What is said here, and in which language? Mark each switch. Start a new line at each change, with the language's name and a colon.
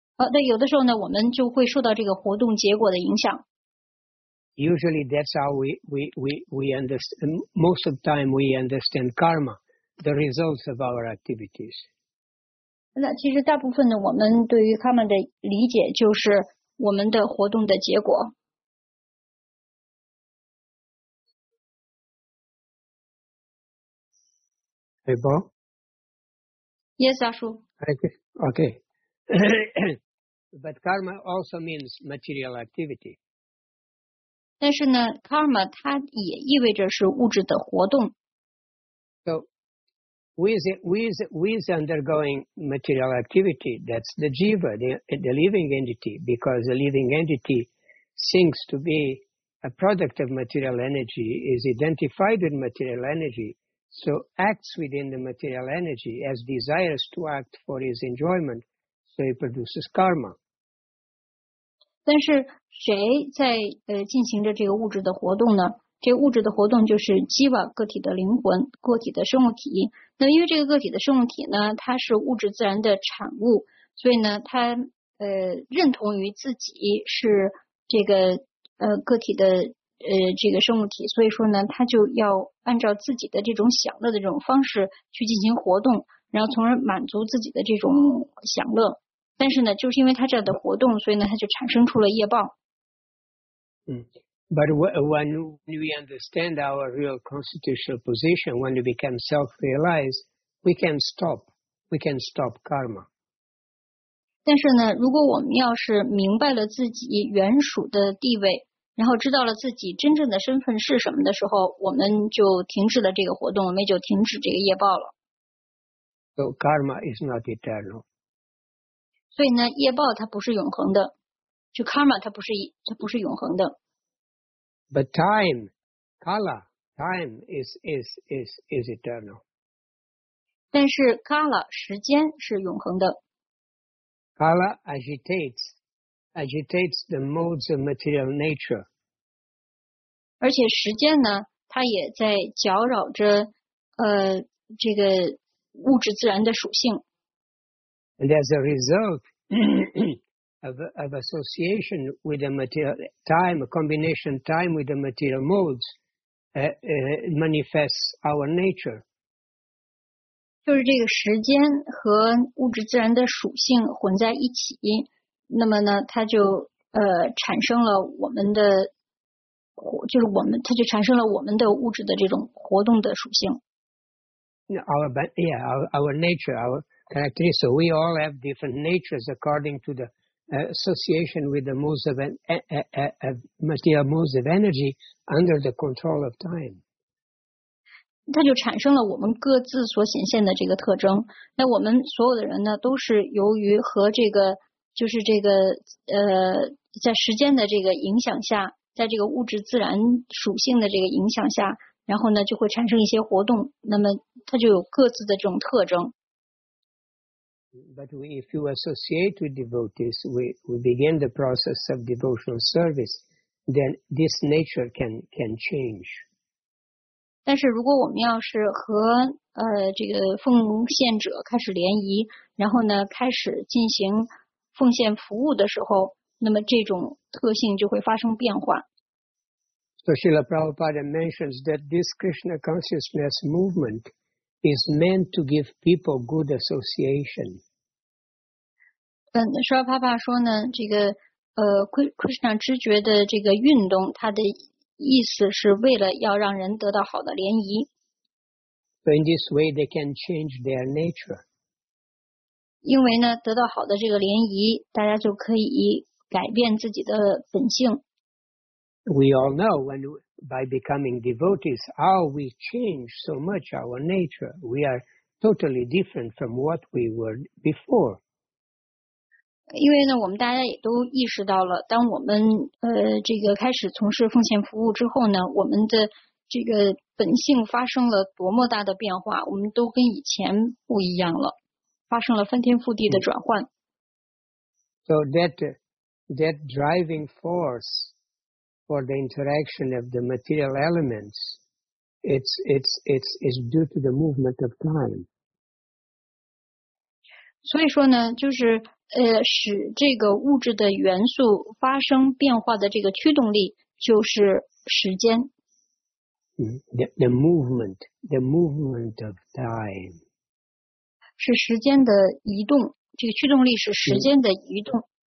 Chinese: 对，有的时候呢，我们就会受到这个活动结果的影响。
English: Usually that's how we understand. Most of the time we understand karma, the results of our activities.
Chinese: 那其实大部分呢，我们对于他们的理解就是我们的活动的结果。
English: Hey, Bob. Yes, 阿叔。 Okay. But karma also means material activity.
Chinese: 但是呢 ，karma 它也意味着是物质的活动。
English: So. We is undergoing material activity. That's the jiva, the living entity, because a living entity seems to be a product of material energy, is identified with material energy, so acts within the material energy as desires to act for his enjoyment, so he produces karma.
Chinese: 但是谁在进行着这个物质的活动呢？这物质的活动就是基瓦，个体的灵魂，个体的生物体。那因为这个个体的生物体呢，它是物质自然的产物，所以呢它认同于自己是这个个体的这个生物体，所以说呢它就要按照自己的这种享乐的这种方式去进行活动，然后从而满足自己的这种享乐。但是呢就是因为它这样的活动，所以呢它就产生出了业报。
English: 嗯， but when we understand our real constitutional position, when we become self-realized, we can stop karma.
Chinese: 但是呢，如果我们要是明白了自己原属的地位，然后知道了自己真正的身份是什么的时候，我们就停止了这个活动，我们就停止这个业报了。
English: So karma is not eternal.
Chinese: 所以呢，业报它不是永恒的，就 karma 它不是永恒的。
English: But time, kala, time is eternal.
Chinese: 但是 kala 时间是永恒的。
English: Kala agitates the modes of material nature.
Chinese: 而且时间呢，它也在搅扰着这个物质自然的属性。
English: And as a result of association with the material time, a combination time with the material modes, manifests our nature.
Chinese: 就是这个时间和物质自然的属性混在一起，那么呢它就产生了我们的，就是我们，它就产生了我们的物质的这种活动的属性。
English: Our nature, our characteristics, so we all have different natures according to the association with the modes of material modes of energy under the control of time.
Chinese: 它就产生了我们各自所显现的这个特征。那我们所有的人呢，都是由于和这个，就是这个在时间的这个影响下，在这个物质自然属性的这个影响下，然后呢就会产生一些活动，那么它就有各自的这种特征。
English: But if you associate with devotees, we begin the process of devotional service, then this nature can change.
Chinese: 但是如果我们要是和这个奉献者开始联谊，然后呢开始进行奉献服务的时候，那么这种特性就会发生变化。
English: So Srila Prabhupada mentions that this Krishna consciousness movement is meant to give people good association.
Chinese: Srila Prabhupada 说呢，这个Krishna 知觉的这个运动，它的意思是为了要让人得到好的联谊。
English: So in this way they can change their nature.
Chinese: 因为呢得到好的这个联谊，大家就可以改变自己的本性。
English: We all know when by becoming devotees how we change so much our nature. We are totally different from what we were before.
Chinese: 因为呢我们大家也都意识到了，当我们这个开始从事奉献服务之后呢，我们的这个本性发生了多么大的变化，我们都跟以前不一样了，发生了翻天覆地的转换。
English: So that driving force for the interaction of the material elements, it's due to the movement of time.
Chinese: 所以说呢就是使这个物质的元素发生变化的这个驱动力就是时间。
English: The movement of time.
Chinese: 是时间的移动，这个驱动力是时间的移动。